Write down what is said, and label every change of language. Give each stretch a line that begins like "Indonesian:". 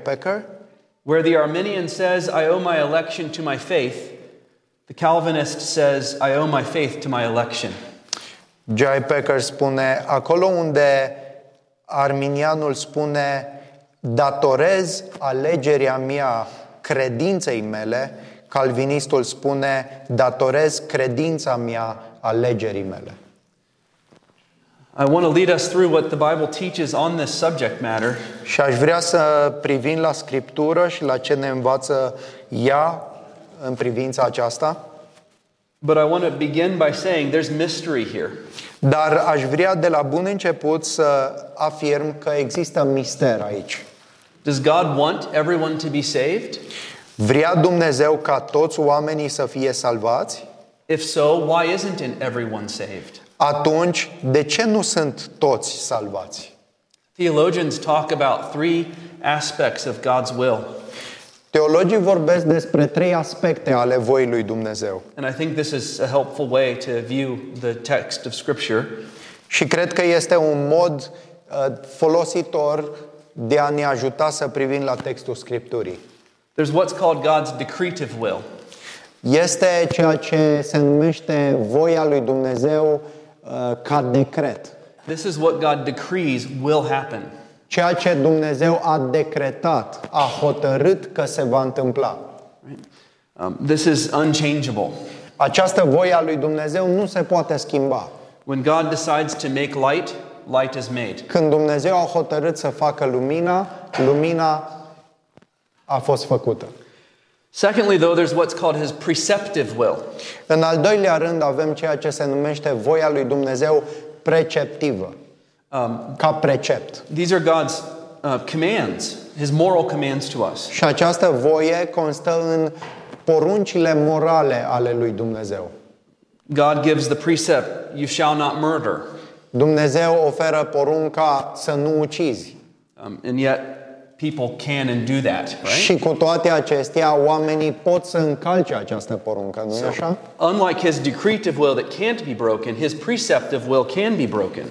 English: Packer. Where the Arminian says, I owe my election to my faith, the Calvinist says, I owe my faith to my election. J.I.
Romanian: Packer spune, acolo unde arminianul spune, datorez alegerea mea credinței mele, calvinistul spune, datorez credința mea alegerii mele.
English: I want to lead us through what the Bible teaches on this subject matter.
Romanian: Și aș vrea să privim la Scriptură și la ce ne învață ea în privința aceasta.
English: But I want to begin by saying there's mystery here.
Romanian: Dar aș vrea de la bun început să afirm că există mister aici.
English: Does God want everyone to be saved?
Romanian: Vrea Dumnezeu ca toți oamenii să fie salvați?
English: If so, why isn't everyone saved?
Romanian: Atunci, de ce nu sunt toți salvați?
English: Theologians talk about three aspects of God's will.
Romanian: Teologii vorbesc despre trei aspecte ale voii lui Dumnezeu.
English: And I think this is a helpful way to view the text of Scripture.
Romanian: Și cred că este un mod folositor de a ne ajuta să privim la textul Scripturii.
English: There's what's called God's decretive will.
Romanian: Este ceea ce se numește voia lui Dumnezeu ca decret.
English: This is what God decrees will happen.
Romanian: Ceea ce Dumnezeu a decretat, a hotărât că se va întâmpla.
English: This is unchangeable.
Romanian: Această voie a lui Dumnezeu nu se poate schimba.
English: When God decides to make light, light is made.
Romanian: Când Dumnezeu a hotărât să facă lumina, lumina a fost făcută.
English: Secondly, though, there's what's called his preceptive will.
Romanian: În al doilea rând avem ceea ce se numește voia lui Dumnezeu preceptivă. Ca precept.
English: These are God's commands, his moral commands to us.
Romanian: Și această voie constă în poruncile morale ale lui Dumnezeu.
English: God gives the precept, you shall not murder.
Romanian: Dumnezeu oferă porunca să nu ucizi.
English: And yet people can and do that, right?
Romanian: Și cu toate acestea, oamenii pot să încalce această poruncă, nu-i așa?
English: Unlike his decretive will that can't be broken, his preceptive will can be broken.